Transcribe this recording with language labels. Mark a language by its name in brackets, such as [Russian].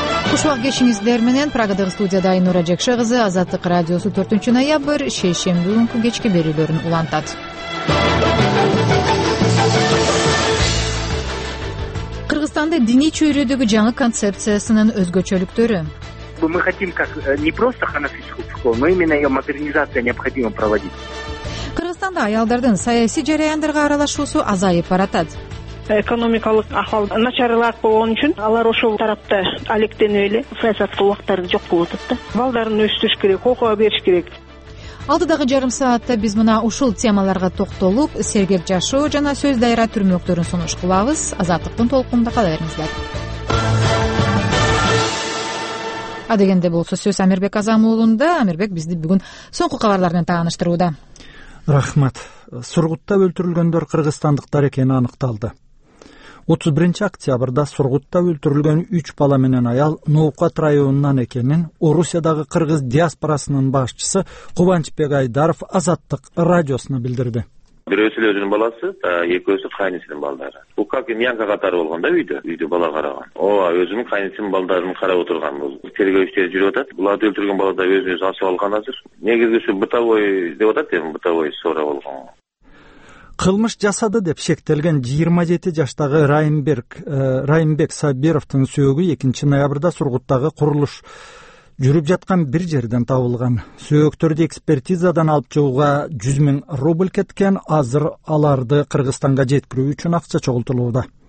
[Kyrgyz] Кушмак кечиңиздер менен Прагадагы студияда Айнура Жекше кызы Азаттык радиосу 4 ноябрь шейшемби күнкү кечки берүүлөрүн улантат. Кыргызстанда диний чөйрөдөгү жаңы концепциясынын өзгөчөлүктөрү. [Russian] Мы хотим как не просто ханафийскую школу, но именно ее модернизация необходимо проводить. [Kyrgyz] Кыргызстанда аялдардын саясий жараяндарга аралашуусу азайып баратат. Экономикалык ахвал начарлак болгон үчүн алар ошол тарапта алектенип эле саясатка убактары жок болуп атат да. Балдарын өстүрүш керек, окууга бериш керек. Алдыдагы жарым саатта биз мына ушул темаларга токтолуп, сергек жашоо жана сөз дайра түрмөктөрүн сунуш кылабыз. Азаттыктын толкунунда кала бериңиздер. Адегенде болсо сөз Амирбек Азамулунда. Амирбек бизди бүгүн соңку кабарлар менен тааныштырууда. Рахмат. Сургутта өлтүрүлгөндөр кыргызстандыктар экени аныкталды. 31 октябрда Сургутта өлтүрүлгөн 3 бала менен аял Новкат районунан экенин Орусиядагы кыргыз диаспорасынын башчысы Кубанычбек Айдаров Азаттык радиосуна билдирди. Бирөөсү эле өзүнүн баласы, экөөсү кайнысынын балдары. Укак эми янка катары болгон да үйдө, үйдө бала караган. Ооба, өзүнүн кайнысынын балдарын карап отурган. Тергөө иштери жүрүп атат. Буларды өлтүргөн бала да өзүн өзү асып алган азыр. Негизгиси бытовой деп атат эми, [Russian] бытовой ссора [Kyrgyz] болгон. Кылмыш жасады деп шектелген 27 жаштагы Райымбек Сабировтун сөөгү 2 ноябрда Сургуттагы курулуш жүрүп жаткан бир жерден табылган. Сөөктөрдү экспертизадан алып чыгууга 100,000 рубль кеткен, азыр аларды Кыргызстанга жеткирүү үчүн акча чогултулууда.